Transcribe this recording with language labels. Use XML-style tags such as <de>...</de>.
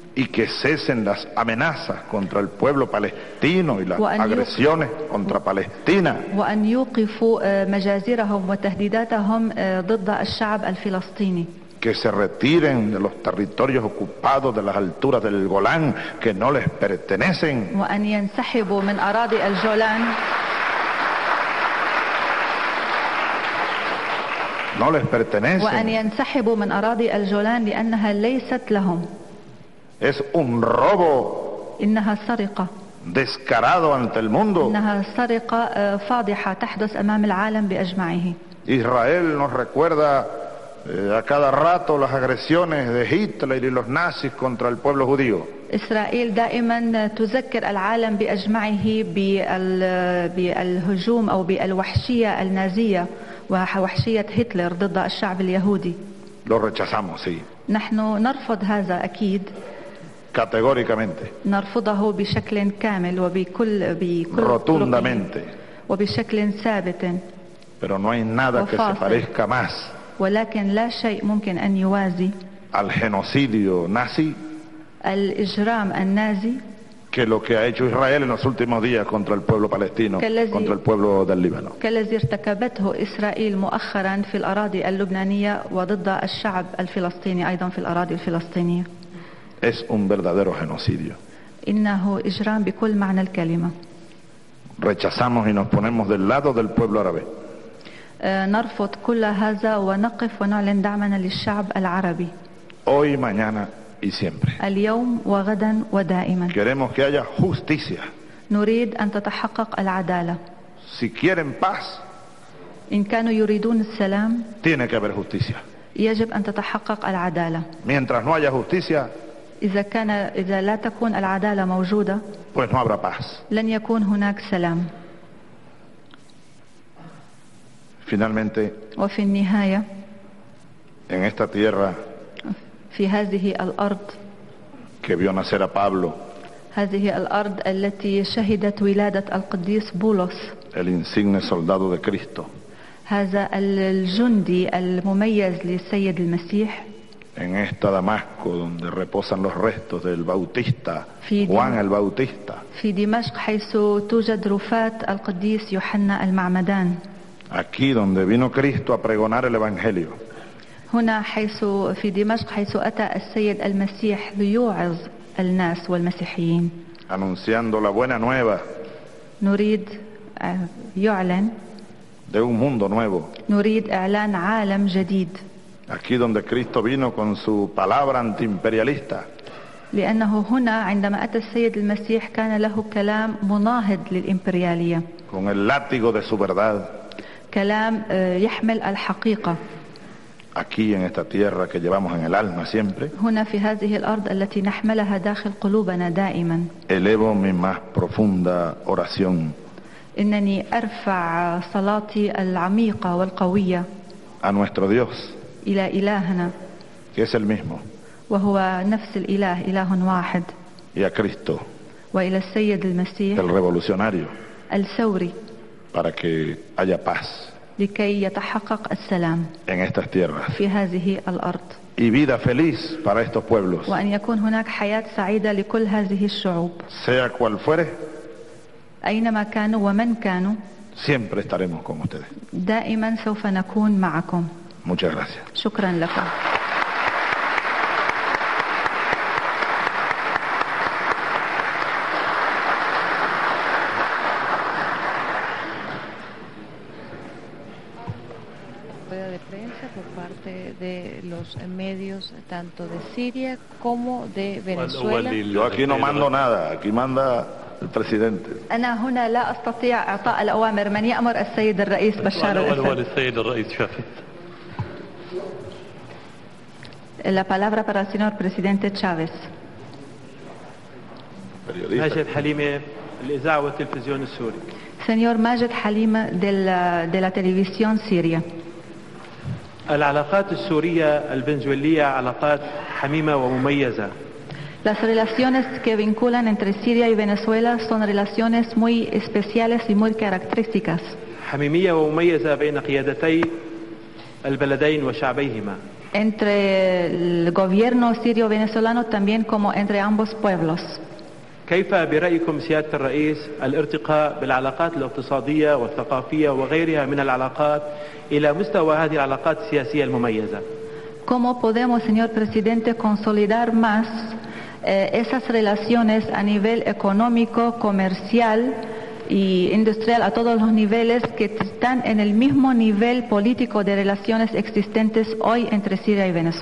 <es>y que cesen las amenazas contra el pueblo palestino y las agresiones contra Palestina</es> <ar>وأن يوقفوا مجازرهم وتهديداتهم ضد الشعب الفلسطيني</ar> <es>que se retiren de los territorios ocupados de las alturas del Golán que no les pertenecen</es> <ar>وأن ينسحبوا من أراضي الجولان</ar> <es>no les pertenecen</es> <ar>وأن ينسحبوا من أراضي الجولان لأنها ليست لهم</ar> <es>Es un robo</es> <ar>إنها سرقة</ar> <es>descarado ante el mundo.</es> <ar>إنها سرقة فاضحة تحدث أمام العالم بأجمعه.</ar> <es>Israel nos recuerda a cada rato las agresiones de Hitler y los nazis contra el pueblo judío.</es> <ar>إسرائيل دائما تذكر العالم بأجمعه بالهجوم أو بالوحشية النازية ووحشية هتلر ضد الشعب اليهودي.</ar> <es>Lo rechazamos, sí.</es> <ar>نحن نرفض هذا أكيد.</ar> <es>Categóricamente.</es> <ar>نرفضه بشكل كامل وبكل</ar> <es>rotundamente.</es> <ar>وبشكل ثابت.</ar> <es>Pero no hay nada que se parezca más.</es> <ar>ولكن لا شيء ممكن أن يوازي.</ar> <es>Al genocidio nazi.</es> <ar>الإجرام النازي.</ar> <es>Que lo que ha hecho Israel en los últimos días contra el pueblo palestino, contra el pueblo del Líbano.</es> <ar>كالذي ارتكبته إسرائيل مؤخرا في الأراضي اللبنانية وضد الشعب الفلسطيني أيضا في الأراضي الفلسطينية.</ar> <es>Es un verdadero genocidio.</es> <ar>إنه إجرام بكل معنى الكلمة.</ar> <es>Rechazamos y nos ponemos del lado del pueblo árabe.</es> <ar>نرفض كل هذا ونقف ونعلن دعمنا للشعب العربي.</ar> <es>Hoy, mañana y siempre.</es> <ar>اليوم وغدا ودائما.</ar> <es>Queremos que haya justicia.</es> <ar>نريد أن تتحقق العدالة.</ar> <es>Si quieren paz.</es> <ar>إن كانوا يريدون السلام.</ar> <es>Tiene que haber justicia.</es> <ar>يجب أن تتحقق العدالة.</ar> <es>Mientras no haya justicia.</es> <ar>إذا لا تكون العدالة موجودة</ar> <es>pues no habrá paz.</es> <ar>لن يكون هناك سلام</ar> <es>Finalmente,</es> <ar>وفي النهاية</ar> <es>en esta tierra,</es> <ar>في هذه الأرض</ar> <es>que vio nacer a Pablo,</es> <ar>هذه الأرض التي شهدت ولادة القديس بولس</ar> <es>el insigne soldado de Cristo,</es> <ar>هذا الجندي المميز للسيد المسيح</ar> <es>en esta Damasco donde reposan los restos del Bautista Juan el Bautista</es> <ar>في دمشق حيث توجد رفات القديس يوحنا المعمدان</ar> <es>aquí donde vino Cristo a pregonar el Evangelio</es> <ar>هنا حيث في دمشق حيث أتى السيد المسيح ليوعظ الناس والمسيحيين</ar> <es>anunciando la buena nueva</es> <ar>نريد يعلن</ar> <es>de un mundo nuevo</es> <ar>نريد إعلان عالم جديد</ar> <es>aquí donde Cristo vino con su palabra antiimperialista</es> <ar>لأنه هنا عندما أتى السيد المسيح كان له كلام مناهض للإمبريالية</ar> <es>con el látigo de su verdad</es> <ar>كلام يحمل الحقيقة</ar> <es>aquí en esta tierra que llevamos en el alma siempre</es> <ar>هنا في هذه الأرض التي نحملها داخل قلوبنا دائما</ar> <es>elevo mi más profunda oración</es> <ar>إنني أرفع صلاتي العميقة والقوية</ar> <es>a nuestro Dios</es> <ar>إلى إلهنا</ar> <es>que es el mismo</es> <ar>وهو نفس الإله إله واحد</ar> <es>y a Cristo</es> <ar>وإلى السيد المسيح</ar> <es>el revolucionario</es> <ar>الثوري</ar> <es>para que haya paz</es> <ar>لكي يتحقق السلام</ar> <es>en estas tierras</es> <ar>في هذه الأرض</ar> <es>y vida feliz para estos pueblos</es> <ar>وأن يكون هناك حياة سعيدة لكل هذه الشعوب</ar> <es>sea cual fuere</es> <ar>أينما كانوا ومن كانوا</ar> <es>siempre estaremos con ustedes</es> <ar>دائما سوف نكون معكم</ar> <es>Muchas gracias.</es> <ar>شكرا لكم.</ar> <es>Rueda de prensa por parte de los medios tanto de Siria como de Venezuela. Yo aquí no mando nada, aquí manda el presidente.</es> <ar>أنا هنا لا أستطيع إعطاء الأوامر من يأمر السيد الرئيس بشار الأسد. أنا السيد الرئيس شافي.</ar> <es>La palabra para el señor presidente Chávez. Majed Halime, el Izaa y Televisión Suria. Señor Majed Halime de la televisión Siria.</es> <ar>العلاقات السورية البنزويلية علاقات حميمة ومميزة.</ar> <es>Las relaciones que vinculan entre Siria y Venezuela son relaciones muy especiales y muy características.</es> <ar>حميمية ومميزة بين قيادتي البلدين وشعبيهما.</ar> <es>Entre el gobierno sirio venezolano también como entre ambos pueblos.</es> <ar>كيف برأيكم سيادة الرئيس الارتقاء بالعلاقات الاقتصادية والثقافية وغيرها من العلاقات إلى مستوى هذه العلاقات السياسية المميزة؟</ar> <es>¿Cómo podemos, señor presidente, consolidar más esas relaciones a nivel económico, comercial y industrial a todos los niveles que están en el mismo nivel político de relaciones existentes hoy entre Siria y</es>